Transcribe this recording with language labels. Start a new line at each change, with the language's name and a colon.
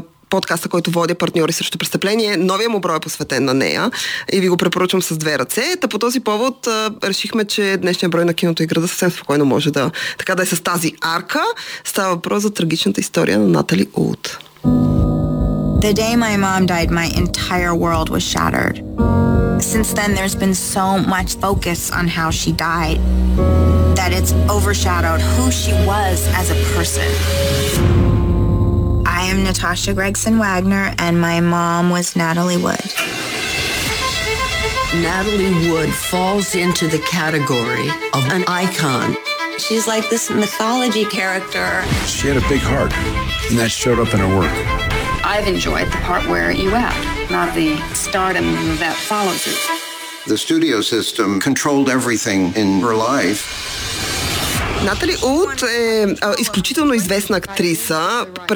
Bulgarian: Подкаста, който водя Партньори срещу престъпление, новия му брой е посветен на нея и ви го препоръчвам с две ръце. Та по този повод решихме, че днешният брой на киното и града съвсем спокойно може да така да е с тази арка. Става въпрос за трагичната история на Натали Ууд.
English: The day my mom died, my entire world was shattered. Since then there's been so much focus on how she died that it's overshadowed who she was as a person. I am Natasha Gregson-Wagner, and my mom was Natalie Wood. Natalie Wood falls into the category of an icon. She's like this mythology character. She had a big heart, and that showed up in her work. I've enjoyed the part where you act, not the stardom that follows it. The studio system controlled everything in her life.
Bulgarian: Натали Ууд е изключително известна актриса.